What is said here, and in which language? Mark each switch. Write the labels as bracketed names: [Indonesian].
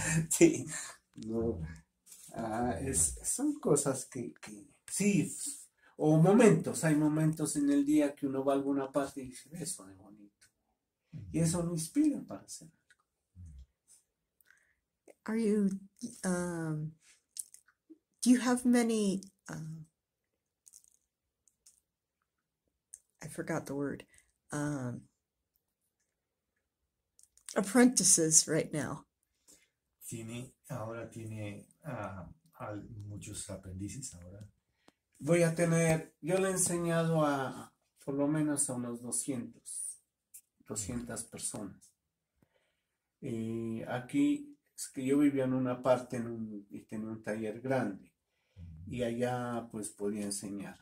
[Spanish] Sí, no. Ah, son cosas que sí, o momentos, hay momentos en el día que uno va a alguna parte y dice, eso de bonito. Y eso me inspira para hacer algo. [English] Are you, do you have many, I forgot the word, apprentices right now? [Spanish] Tiene, ahora tiene muchos aprendices ahora. Voy a tener, yo le he enseñado a por lo menos a unos 200, 200 personas. Aquí es que yo vivía en una parte y tenía un taller grande y allá pues podía enseñar.